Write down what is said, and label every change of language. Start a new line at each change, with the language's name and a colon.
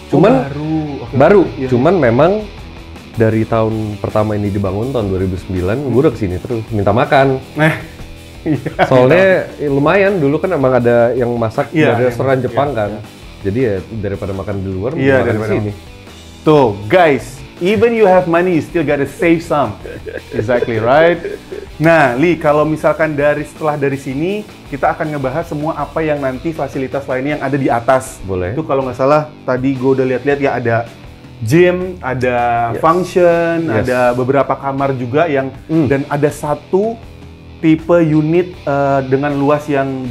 Indonesian: Cuman, baru. Ya. Cuman memang dari tahun pertama ini dibangun, tahun 2009, gue udah kesini terus. Minta makan. Iya, soalnya lumayan, dulu kan emang ada yang masak di restoran Jepang kan. Jadi ya daripada makan di luar, makan di sini. Tuh, guys.
English: Even you have money, you still gotta save some. Exactly, right?
Indonesian: Nah, Li, kalau misalkan dari setelah dari sini, kita akan ngebahas semua apa yang nanti fasilitas lainnya yang ada di atas. Boleh. Itu kalau nggak salah, tadi gue udah lihat-lihat ya ada gym, ada function, ada beberapa kamar juga yang, dan ada satu tipe unit dengan luas yang